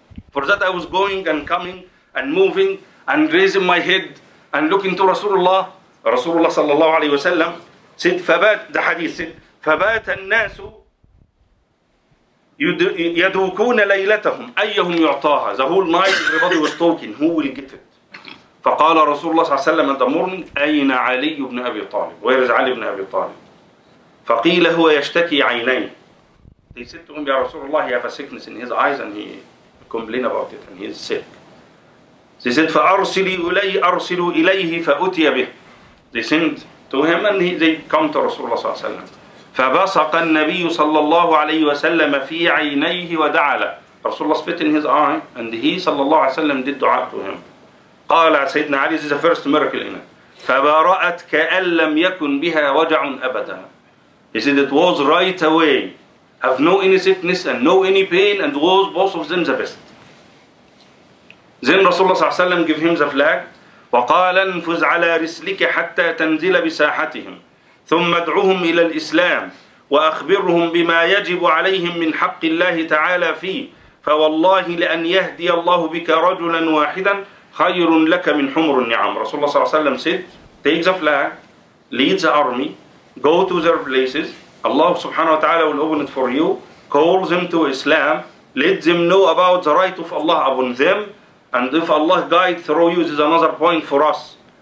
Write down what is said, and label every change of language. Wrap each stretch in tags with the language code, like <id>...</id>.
<en>For that I was going and coming and moving and raising my head and looking to Rasulullah. Rasulullah sallallahu alayhi wa sallam said, the hadith said,</en> <ar>فَبَاتَ النَّاسُ يَدُوكُونَ لَيْلَتَهُمْ أَيَّهُمْ يُعْطَاهَا.</ar> <en>The whole night everybody was talking, who will get it?</en> <ar>فقال رسول الله صلى الله عليه وسلم</ar> <en>in the morning,</en> <ar>أين علي بن أبي طالب؟</ar> <en>Where is</en> <ar>علي بن أبي طالب؟ فقيل هو يشتكي عينين.</ar> <en>They said to him,</en> <ar>يا رسول الله,</ar> <en>he has a sickness in his eyes and he complained about it and he is sick.</en> <ar>They said, أرسلوا إليه فأتي به.</ar> <en>They sent to him and they come to</en> <ar>رسول الله صلى الله عليه وسلم. فبصق النبي صلى الله عليه وسلم في عينيه ودعله.</ar> <en>Rasulullah spit in his eye and he</en> <ar>صلى الله عليه وسلم</ar> <en>did dua to him.</en> <ar>قال سيدنا علي,</ar> <en>this is the first miracle in it.</en> <ar>فبرأت كأن لم يكن بها وجع أبدا.</ar> <en>He said it was right away. Have no any sickness and no any pain and was both of them the best. Then Rasulullah</en> <ar>صلى الله عليه وسلم</ar> <en>gave him the flag.</en> <ar>وقال انفز على رسلك حتى تنزل بساحتهم. ثم ادعوهم إلى الإسلام وأخبرهم بما يجب عليهم من حق الله تعالى فيه فوالله لأن يهدي الله بك رجلا واحدا خير لك من حمر النعم. رسول الله صلى الله عليه وسلم</ar> <en>said, take the flag, lead the army, go to their places, Allah subhanahu wa ta'ala will open it for you, call them to Islam, let them know about the right of Allah upon them, and if Allah guides through you, this is another point for us.</en>